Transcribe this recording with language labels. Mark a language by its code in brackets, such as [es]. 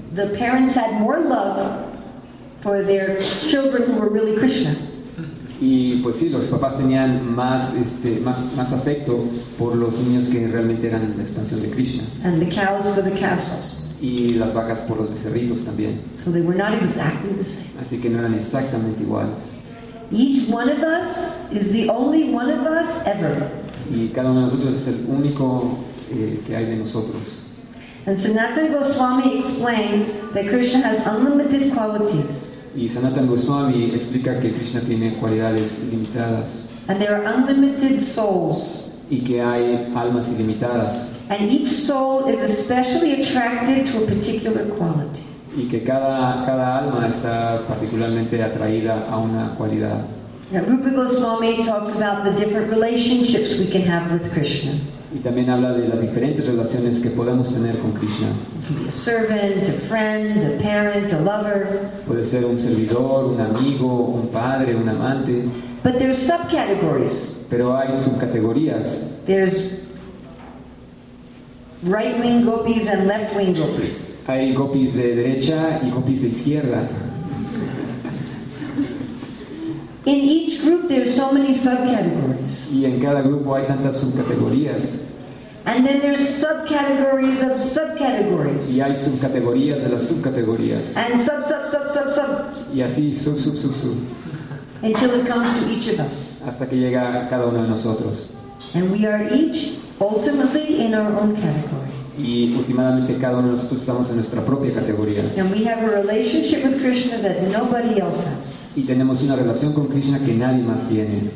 [en] The parents had more love for their children who were really Krishna. [es] Y pues sí, los papás tenían más más afecto por los niños que realmente eran la expansión de Krishna. [en] And the cows for the capsules. [es] Y las vacas por los becerritos también. [en] So they were not exactly the same. [es] Así que no eran exactamente iguales. [en] Each one of us is the only one of us ever. [es] Y cada uno de nosotros es el único que hay de nosotros. [en] And Sanatana Goswami explains that Krishna has unlimited qualities. [es] Y Sanatana Goswami explica que Krishna tiene cualidades ilimitadas. [en] And there are unlimited souls. [es] Y que hay almas ilimitadas. [en] And each soul is especially attracted to a particular quality. [es] Y que cada alma está particularmente atraída a una cualidad. [en] Now, Rupa Goswami talks about the different relationships we can have with Krishna. [es] Y también habla de las diferentes relaciones que podemos tener con Krishna. [en] A servant, a friend, a parent, a lover. [es] Puede ser un servidor, un amigo, un padre, un amante. [en] But there's subcategories. [es] Pero hay subcategorías. [en] There's right-wing gopis and left-wing gopis. [es] Hay gopis de derecha y gopis de izquierda. [en] In each group there are so many subcategories. [es] Y en cada grupo hay tantas subcategorías. [en] And then there's subcategories of subcategories. [es] Y hay subcategorías de las subcategorías. [en] And sub. [es] Y así sub. [en] Until it comes to each of us. [es] Hasta que llega a cada uno de nosotros. [en] And we are each ultimately in our own category. [es] Y últimamente cada uno de nosotros estamos en nuestra propia categoría. [en] And we have a relationship with Krishna that nobody else has. [es] Y tenemos una relación con Krishna que nadie más tiene.